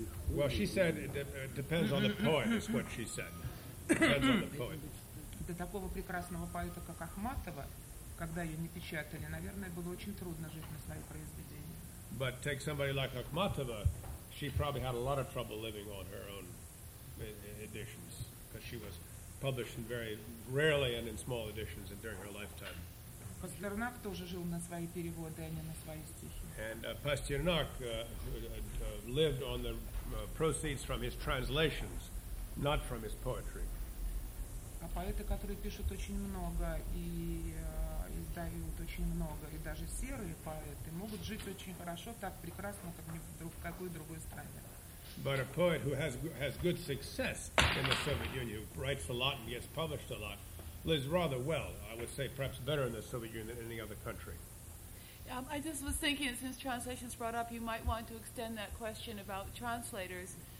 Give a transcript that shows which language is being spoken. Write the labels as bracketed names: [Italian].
[English] Well, she said it depends on the poet, is what she said. Depends on the poet. [Russian] До такого прекрасного поэта, как Ахматова, когда ее не печатали, наверное, было очень трудно жить на свои произведения. [English] But take somebody like Akhmatova, she probably had a lot of trouble living on her own editions because she was published very rarely and in small editions and during her lifetime. [Russian] Пастернак тоже жил на свои переводы, а не на свои стихи. [English] And Pasternak lived on the proceeds from his translations, not from his poetry. [Russian] А поэты, которые пишут очень много и издают очень много, и даже серые поэты, могут жить очень хорошо, так прекрасно, как ни в какой другой стране. [English] But a poet who has good success in the Soviet Union, who writes a lot and gets published a lot, lives rather well, I would say perhaps better in the Soviet Union than any other country. I just was thinking, since translations brought up, you might want to extend that question about translators.